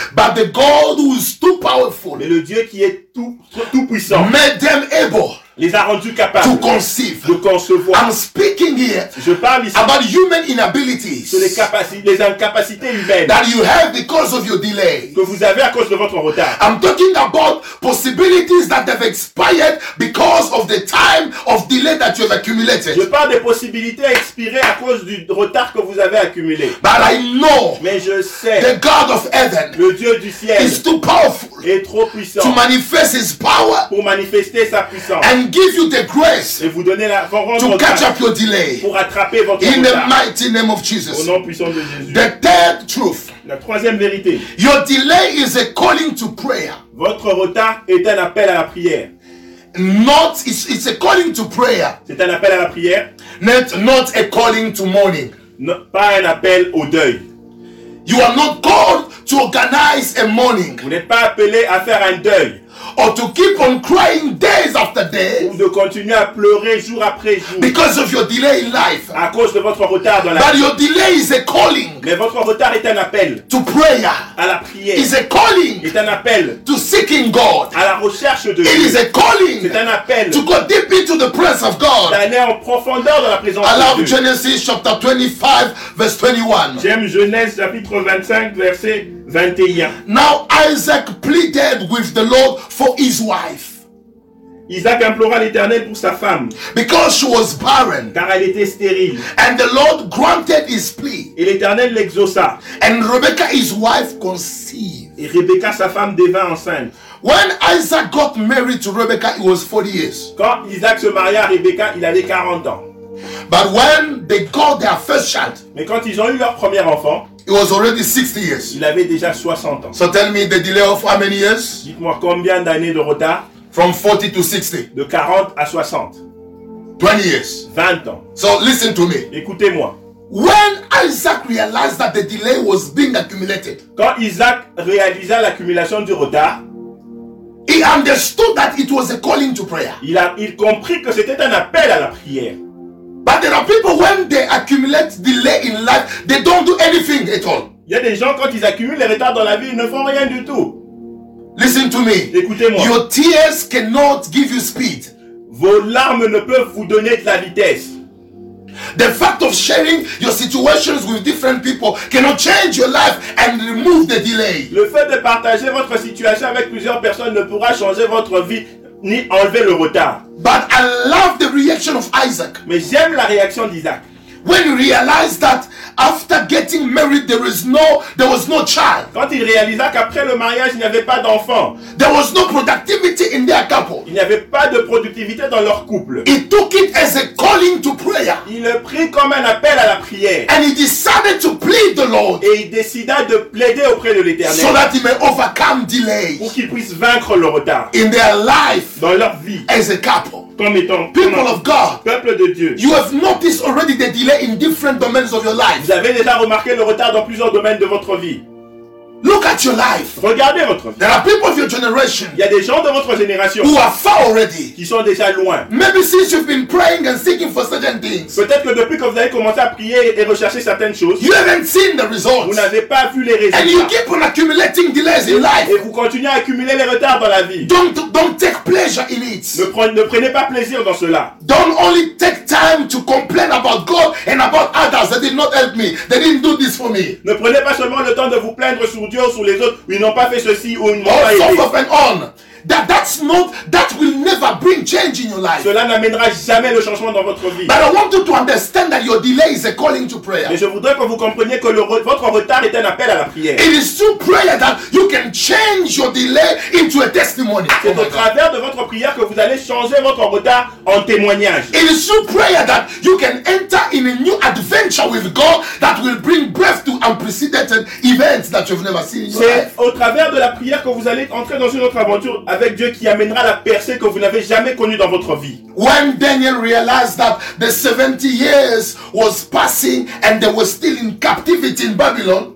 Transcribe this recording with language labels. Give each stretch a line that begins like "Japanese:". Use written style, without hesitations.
English: But the God who is too powerful.
French: Mais le Dieu qui est tout puissant.
English: Made them able.
French: Les a rendus capables
English: to conceive.
French: De concevoir.
English: I'm speaking here.
French: Je parle ici
English: about human inabilities.
French: Sur les incapacités humaines.
English: That you have because of your delay.
French: Que vous avez à cause de votre retard.
English: I'm talking about possibilities that have expired because of the time of delay that you have accumulated.
French: Je parle des possibilités expirées à cause du retard que vous avez accumulé.
English: But I know.
French: Mais je sais.
English: The God of heaven.
French: Le Dieu du ciel.
English: Is too powerful.
French: Est trop puissant.
English: To manifest His power.
French: Pour manifester sa puissance.
English: And give you the grace
French: et vous donner la force
English: to catch up your delay
French: pour attraper votre
English: in the mighty name of Jesus.
French: Au nom puissant de Jésus.
English: The third truth.
French: La troisième vérité.
English: Your delay is a calling to prayer.
French: Votre retard est un appel à la prière.
English: Not it's a calling to prayer.
French: C'est un appel à la prière.
English: Not a calling to mourning.
French: Non, pas un appel au deuil.
English: You are not called to organize a mourning.
French: Vous n'êtes pas appelé à faire un deuil.
English: Or to keep on crying days after days.
French: Ou de continuer à pleurer jour après jour.
English: Because of your delay in life.
French: À cause de votre retard dans la vie.
English: But your delay is a calling.
French: Mais votre retard est un appel.
English: To prayer.
French: À la prière.
English: Is a calling.
French: Est un appel.
English: To seeking God.
French: À la recherche de
English: it
French: Dieu.
English: It is a calling.
French: C'est un appel.
English: To go deep into the presence of God.
French: D'aller en profondeur dans la présence de Dieu.
English: I love Genesis chapter 25 verse 21.
French: J'aime Genèse chapitre 25 verset 21.
English: Now Isaac pleaded with the Lord for his wife.
French: Isaac implora l'Éternel pour sa femme.
English: Because she was barren.
French: Car elle était stérile.
English: And the Lord granted his plea.
French: Et l'Éternel l'exauça.
English: And Rebecca his wife conceived.
French: Et Rebecca sa femme devint enceinte.
English: When Isaac got married to Rebecca, he was 40 years.
French: Quand Isaac se maria à Rebecca, il avait 40 ans.
English: But when they got their first child,
French: mais quand ils ont eu leur premier enfant,
English: he was already 60 years.
French: Il avait déjà 60 ans.
English: So tell me the delay of how many years?
French: Dites-moi combien d'années de retard?
English: From 40 to 60.
French: De 40 à 60.
English: 20 years.
French: 20 ans.
English: So listen to me.
French: Écoutez-moi.
English: When Isaac realized that the delay was being accumulated,
French: quand Isaac réalisa l'accumulation du retard,
English: he understood that it was a calling to prayer.
French: Il comprit que c'était un appel à la prière.
English: But there are people when they accumulate delay in life, they don't do anything at all.
French: Il y a des gens quand ils accumulent les retards dans la vie, ils ne font rien du tout.
English: Listen to me.
French: Écoutez-moi.
English: Your tears cannot give you speed.
French: Vos larmes ne peuvent vous donner de la vitesse.
English: The fact of sharing your situations with different people cannot change your life and remove the delay.
French: Le fait de partager votre situation avec plusieurs personnes ne pourra changer votre vie ni enlever le retard.
English: But I love the reaction of Isaac.
French: Mais j'aime la réaction d'Isaac.
English: When he realized that after getting married there was no child.
French: Quand il réalisa qu'après le mariage il n'y avait pas d'enfant.
English: There was no productivity in their couple.
French: Il n'y avait pas de productivité dans leur couple.
English: He took it as a calling to prayer.
French: Il le prit comme un appel à la prière.
English: And he decided to plead the Lord.
French: Et il décida de plaider auprès de l'Éternel.
English: So that he may overcome delay.
French: Pour qu'ils puissent vaincre le retard.
English: In their life.
French: Dans leur vie.
English: As a couple.
French: Comme étant
English: people of God,
French: peuple de Dieu.
English: You have noticed already the delay in different domains of your life.
French: Vous avez déjà remarqué le retard dans plusieurs domaines de votre vie.
English: Look at your life.
French: Regardez votre vie.
English: There are people of your generation.
French: Il y a des gens de votre génération.
English: Who are far already.
French: Qui sont déjà loin.
English: Maybe since you've been praying and seeking for certain things.
French: Peut-être que depuis que vous avez commencé à prier et rechercher certaines choses.
English: You haven't seen the results.
French: Vous n'avez pas vu les résultats.
English: And you keep on accumulating delays in life.
French: Et vous continuez à accumuler les retards dans la vie.
English: Don't take pleasure in it.
French: Ne prenez pas plaisir dans cela.
English: Don't only take time to complain about God and about others. They did not help me. They didn't do this for me.
French: Ne prenez pas seulement le temps de vous plaindre sur Dieu ou sur les autres, ils n'ont pas fait ceci ou ils n'ont pas aidé.
English: That will never bring change in your life.
French: Cela n'amènera jamais le changement dans votre vie.
English: But I want you to understand that your delay is a calling to prayer.
French: Mais je voudrais que vous compreniez que votre retard est un appel à la prière.
English: It is through prayer that you can change your delay into a testimony.
French: C'est au travers de votre prière que vous allez changer votre retard en témoignage.
English: It is through prayer that you can enter in a new adventure with God that will bring breath to unprecedented events that you've never seen in your life.
French: C'est au travers de la prière que vous allez entrer dans une autre aventure avec Dieu qui amènera la percée que vous n'avez jamais connue dans votre vie.
English: When Daniel realized that the 70 years was passing and they were still in captivity in Babylon.